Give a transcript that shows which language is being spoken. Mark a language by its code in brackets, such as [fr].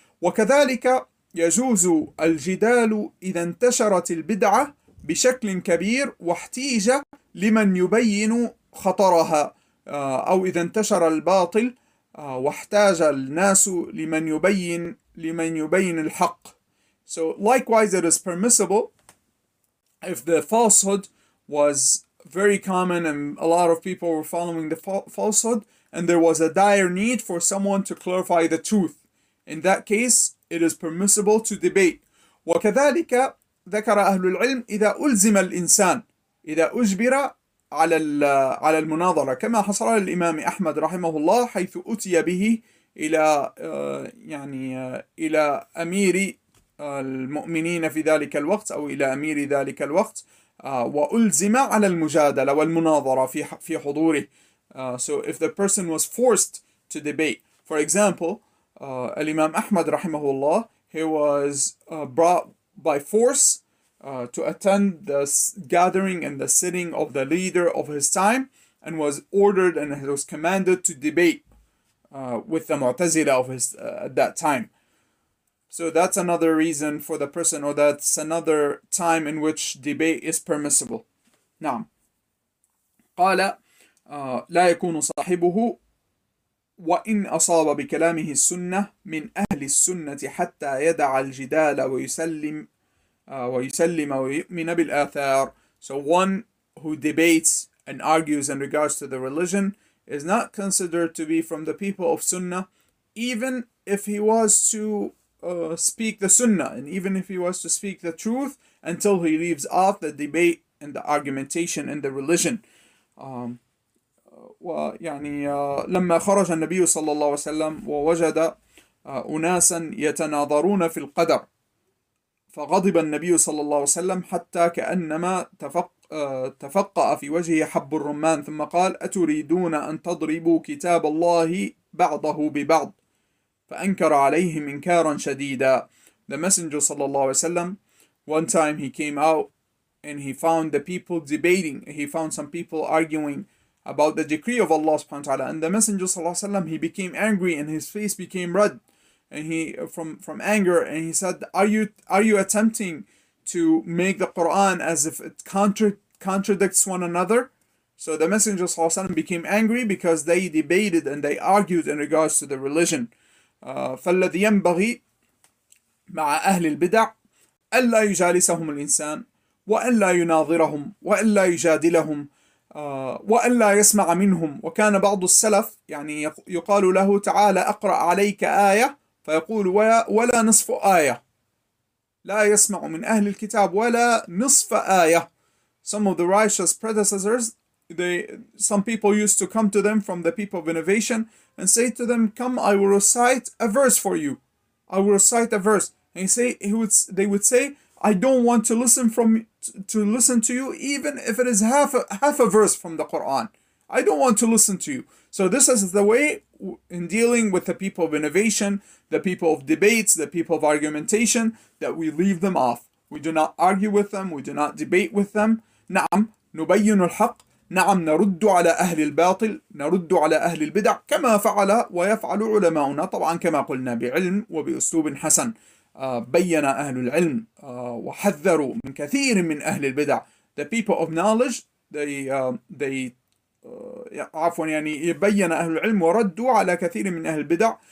[ar] وكذلك يجوز الجدال إذا انتشرت البدعة بشكل كبير واحتيج لمن يبين خطرها أو إذا انتشر الباطل واحتاج الناس لمن يبين الحق. [en] So likewise, it is permissible if the falsehood was very common and a lot of people were following the falsehood and there was a dire need for someone to clarify the truth. In that case, it is permissible to debate. [ar] وكذلك ذكر أهل العلم إذا ألزم الإنسان إذا أجبر على المناظرة كما حصل للإمام أحمد رحمه الله حيث أتي به إلى يعني إلى أمير المؤمنين في ذلك الوقت أو إلى أمير ذلك الوقت وألزم على المجادلة والمناظرة في حضوره. [en] So if the person was forced to debate, for example, الإمام أحمد رحمه الله, he was brought by force to attend the gathering and the sitting of the leader of his time and was ordered and he was commanded to debate with the Mu'tazila of his at that time. So that's another reason for the person, or that's another time in which debate is permissible. [ar] نعم. قال لا يكون صاحبه وإن أصاب بكلامه السنة من أهل السنة حتى يدع الجدال ويسلم ويسلم ويؤمن بالآثار. [en] So one who debates and argues in regards to the religion is not considered to be from the people of Sunnah, even if he was to speak the Sunnah, and even if he was to speak the truth, until he leaves off the debate and the argumentation and the religion. [ar] ويعني لما خرج النبي صلى الله عليه وسلم ووجد أناسا يتناظرون في القدر فغضب النبي صلى الله عليه وسلم حتى كأنما تفقأ في وجهه حب الرمان ثم قال أتريدون أن تضربوا كتاب الله بعضه ببعض فأنكر عليهم إنكارا شديدا. [en] The messenger صلى الله عليه وسلم, one time he came out and he found the people debating, he found some people arguing about the decree of Allah subhanahu wa ta'ala, and the messenger صلى الله عليه وسلم, he became angry and his face became red and he from anger, and he said, are you attempting to make the Quran as if it contradicts one another? So the messenger صلى الله عليه وسلم became angry because they debated and they argued in regards to the religion. [ar] فالذي ينبغي مع أهل البدع ألا يجالسهم الإنسان وألا يناظرهم وألا يجادلهم وألا يسمع منهم. وكان بعض السلف يعني يقال له تعالى أقرأ عليك آية فيقول ولا نصف آية, لا يسمع من أهل الكتاب ولا نصف آية. [en] Some of the righteous predecessors, some people used to come to them from the people of innovation and say to them, come, I will recite a verse for you. I will recite a verse. And they would say, I don't want to listen to you even if it is half a verse from the Quran. I don't want to listen to you. So this is the way in dealing with the people of innovation, the people of debates, the people of argumentation, that we leave them off. We do not argue with them. We do not debate with them. [ar] نعم نبين الحق. نعم نرد على أهل الباطل. نرد على أهل البدع كما فعل ويفعل علماؤنا. طبعا كما قلنا بعلم وبأسلوب حسن. بين أهل العلم وحذروا من كثير من أهل البدع. The people of knowledge, يبين أهل العلم وردوا على كثير من أهل البدع.